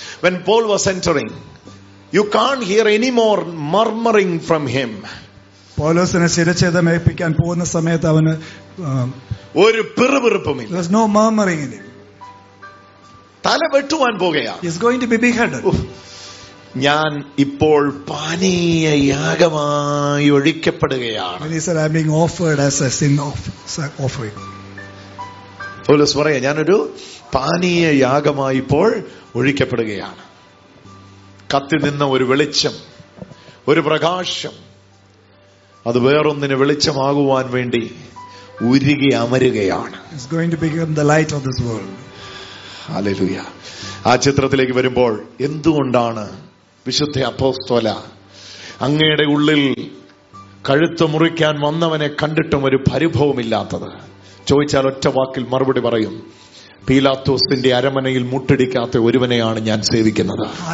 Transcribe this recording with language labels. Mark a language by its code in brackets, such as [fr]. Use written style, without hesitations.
[en] When Paul was entering, you can't hear any more murmuring from him. [ml] പൗലോസിനെ ശിരച്ഛേദം ഏൽപ്പിക്കാൻ പോകുന്ന സമയത്ത് അവന് ഒരു പിറുപിറുപ്പുമില്ല. [en] There's no murmuring in him. [ml] തല വെട്ടുവാൻ പോകുകയാണ്. [en] He's going to be beheaded. [ml] ഞാൻ ഇപ്പോൾ പാനീയ യാഗമായി ഒഴിക്കപ്പെടുകയാണ്. [en] He said, I'm being offered as a sin offering. [ml] പൗലോസ് പറയുക, ഞാനൊരു പാനീയ യാഗമായി ഇപ്പോൾ ഒഴിക്കപ്പെടുകയാണ്. കത്തി നിന്ന ഒരു വെളിച്ചം, ഒരു പ്രകാശം, അത് വേറൊന്നിന് വെളിച്ചമാകുവാൻ വേണ്ടി ഉരുകി അമരുകയാണ്. [en] It's going to become the light of this world. Hallelujah. [ml] ആ ചിത്രത്തിലേക്ക് വരുമ്പോൾ എന്തുകൊണ്ടാണ് വിശുദ്ധ അപ്പോസ്തോല അങ്ങയുടെ ഉള്ളിൽ കഴുത്ത് മുറിക്കാൻ വന്നവനെ കണ്ടിട്ടും ഒരു പരിഭവമില്ലാത്തത്? ചോദിച്ചാൽ ഒറ്റ വാക്കിൽ മറുപടി പറയും, പീലാത്തോസിന്റെ അരമനയിൽ മുട്ടടിക്കാത്ത ഒരുവനെയാണ് ഞാൻ സേവിക്കുന്നത്.